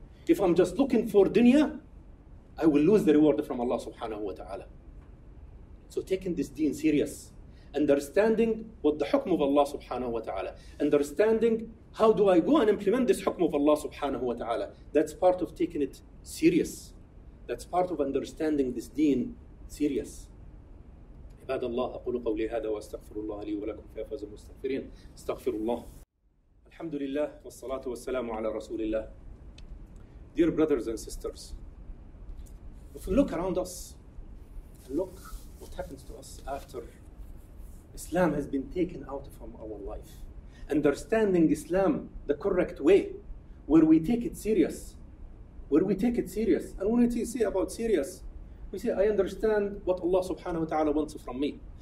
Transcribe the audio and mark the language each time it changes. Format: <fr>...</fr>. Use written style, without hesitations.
<en>If I'm just looking for dunya, I will lose the reward from Allah subhanahu wa ta'ala. So taking this deen serious, understanding what the hukm of Allah subhanahu wa ta'ala, understanding how do I go and implement this hukm of Allah subhanahu wa ta'ala, that's part of taking it serious. That's part of understanding this deen serious.</en> <ar>عباد الله أقول قولي هذا وأستغفر الله لي ولكم في أفواه المستغفرين استغفر الله الحمد لله والصلاة والسلام على رسول الله.</ar> <en>Dear brothers and sisters, if we look around us and look what happens to us after Islam has been taken out from our life, understanding Islam the correct way, where we take it serious, where we take it serious, and when we say about serious, we say, I understand what Allah subhanahu wa ta'ala wants from me.</en>